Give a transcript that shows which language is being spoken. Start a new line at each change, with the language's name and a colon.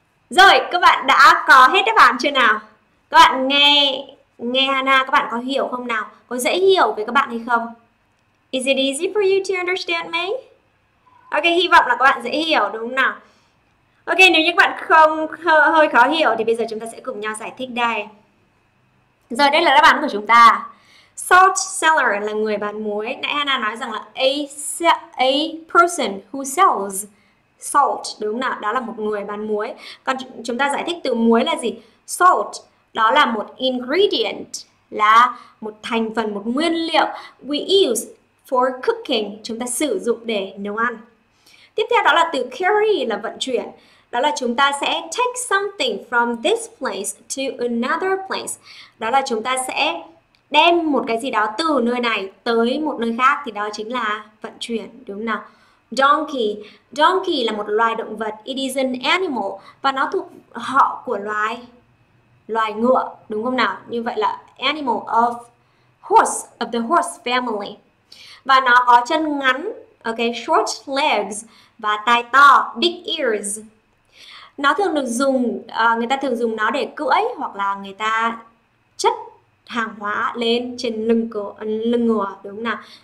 Vietnamese: Rồi, các bạn đã có hết đáp án chưa nào? Các bạn nghe Hana, các bạn có hiểu không nào? Có dễ hiểu với các bạn hay không?
English: Is it easy for you to understand me?
Vietnamese: Ok, hy vọng là các bạn dễ hiểu đúng không nào? Ok, nếu như các bạn không hơi khó hiểu thì bây giờ chúng ta sẽ cùng nhau giải thích đây. Rồi, đây là đáp án của chúng ta. Salt seller là người bán muối. Nãy Hana nói rằng là
English: a person who sells salt,
Vietnamese: đúng không nào? Đó là một người bán muối. Còn chúng ta giải thích từ muối là gì? Salt. Đó là một ingredient, là một thành phần, một nguyên liệu
English: we use for cooking,
Vietnamese: chúng ta sử dụng để nấu ăn. Tiếp theo đó là từ carry, là vận chuyển. Đó là chúng ta sẽ
English: take something from this place to another place.
Vietnamese: Đó là chúng ta sẽ đem một cái gì đó từ nơi này tới một nơi khác, thì đó chính là vận chuyển, đúng không nào? Donkey. Donkey là một loài động vật.
English: It is an animal.
Vietnamese: Và nó thuộc họ của loài ngựa, đúng không nào? Như vậy là
English: animal of horse, of the horse family.
Vietnamese: Và nó có chân ngắn, okay,
English: short legs,
Vietnamese: và tai to,
English: big ears.
Vietnamese: Nó thường được dùng, người ta thường dùng nó để cưỡi hoặc là người ta chất hàng hóa lên trên lưng ngựa, đúng không nào?